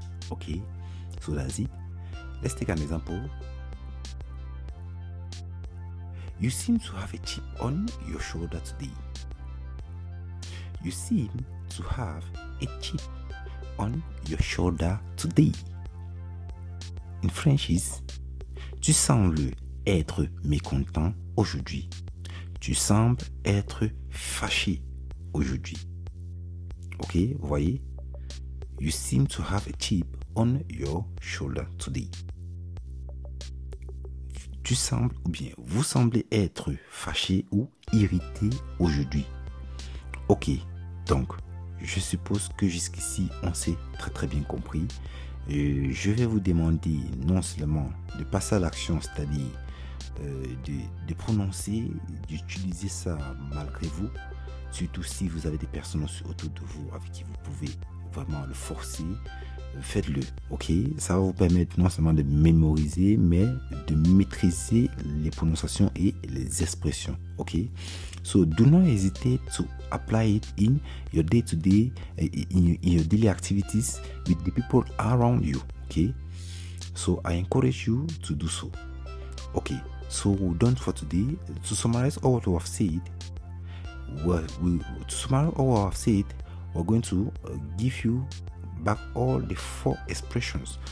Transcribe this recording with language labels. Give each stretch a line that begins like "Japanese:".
English: Okay, so that's it. Let's take an example. You seem to have a chip on your shoulder today. You seem to have a chip on your shoulder today. In French, is
French: tu sembles être mécontent aujourd'hui. Tu sembles être fâché aujourd'hui. Ok, vous voyez? You seem to have a chip on your shoulder today. Tu sembles, ou bien vous semblez être fâché ou irrité aujourd'hui. Ok, donc je suppose que jusqu'ici on s'est très très bien compris. Je vais vous demander non seulement de passer à l'action, c'est-à-dire de prononcer, d'utiliser ça malgré vous, surtout si vous avez des personnes autour de vous avec qui vous pouvez vraiment le forcer. Faites-le, ok? Ça va vous permettre non seulement de mémoriser, mais de maîtriser les prononciations et les expressions, ok?
English: So, do not hesitate to apply it in your day-to-day, in your daily activities with the people around you, ok? So, I encourage you to do so. Ok, so we're done for today. To summarize all what we have said, we're going to give you back all the four expressions.